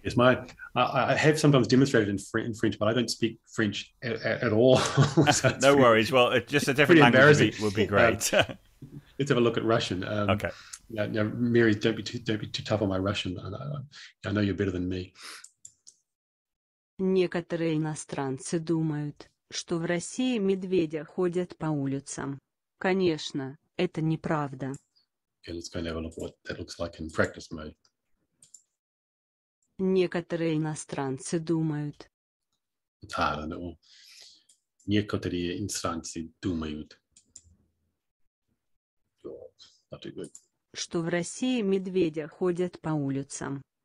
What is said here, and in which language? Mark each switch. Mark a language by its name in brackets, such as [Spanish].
[English] Yes, I have sometimes demonstrated in French, but I don't speak French at all. No worries. Well, just a different language would be great. Let's have a look at Russian. Okay. Now, Mary, don't be too tough on my Russian. I know you're better than me. [Russian] Некоторые иностранцы думают, что в России медведи ходят по улицам. Конечно, это неправда. [English] Okay, let's go and have a look what that looks like in practice mode. [Russian] Некоторые иностранцы думают. [English] It's hard, I know. [Russian] Некоторые иностранцы думают. [English] Not too good. [Russian] Что в России медведи ходят по улицам.